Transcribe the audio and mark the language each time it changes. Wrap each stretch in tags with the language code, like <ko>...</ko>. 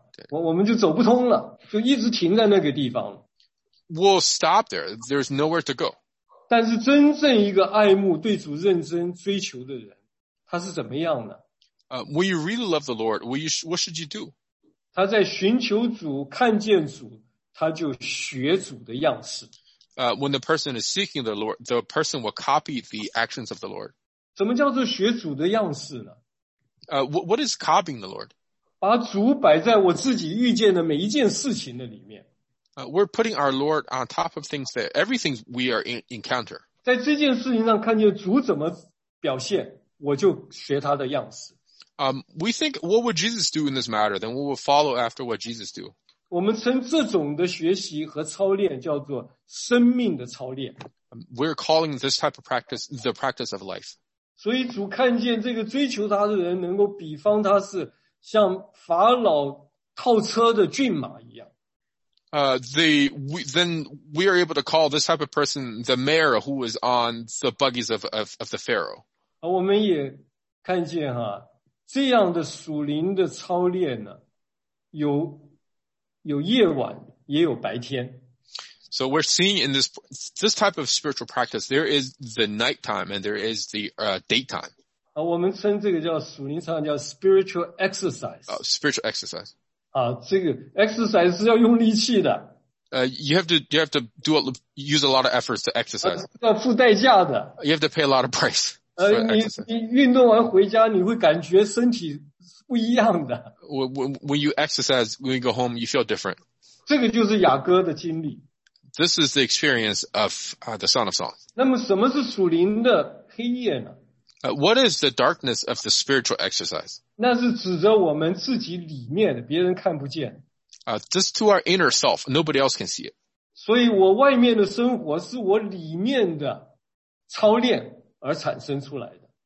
<zh>我们就走不通了，就一直停在那个地方。</zh> <en>We'll stop there. There's nowhere to go.</en> <zh>但是真正一个爱慕对主认真追求的人，他是怎么样呢？</zh> <en>When you really love the Lord, what should you do?</en> <zh>他在寻求主，看见主，他就学主的样式。</zh> <en>When the person is seeking the Lord, the person will copy the actions of the Lord.</en> <zh>怎么叫做学主的样式呢？</zh> <en>What is copying the Lord?</en> <zh>把主摆在我自己遇见的每一件事情的里面。</zh> <en>We're putting our Lord on top of things that everything we are encounter.</en> <zh>在这件事情上看见主怎么表现，我就学他的样式。</zh> <en>We think, what would Jesus do in this matter? Then we will follow after what Jesus do.</en> <zh>我们称这种的学习和操练叫做生命的操练。</zh> <en>We're calling this type of practice the practice of life.</en> <zh>所以主看见这个追求他的人能够比方他是像法老套车的骏马一样。</zh> <en>Then we are able to call this type of person the mare who was on the buggies of the Pharaoh.</en> <zh>我们也看见哈，这样的属灵的操练呢，有夜晚，也有白天。</zh> <en>So we're seeing in this type of spiritual practice, there is the nighttime and there is the daytime.</en> <zh>我们称这个叫属灵操练叫</zh> <en>spiritual exercise. Spiritual exercise.</en> <zh>啊，这个 exercise 是要用力气的。</zh> <en>You have to do a, use a lot of efforts to exercise.</en> <zh>要付代价的。</zh> <en>You have to pay a lot of price.</en> <zh>你运动完回家，你会感觉身体不一样的。</zh> <en>When you exercise, when you go home, you feel different.</en> <zh>这个就是雅各的经历。</zh> <en>This is the experience of the Son of Songs.</en> <zh>那么什么是属灵的黑夜呢？</zh> <en>What is the darkness of the spiritual exercise?</en> <zh>那是指着我们自己里面的，别人看不见。</zh> <en>Just to our inner self, nobody else can see it.</en> <zh>所以我外面的生活是我里面的操练而产生出来的。</zh>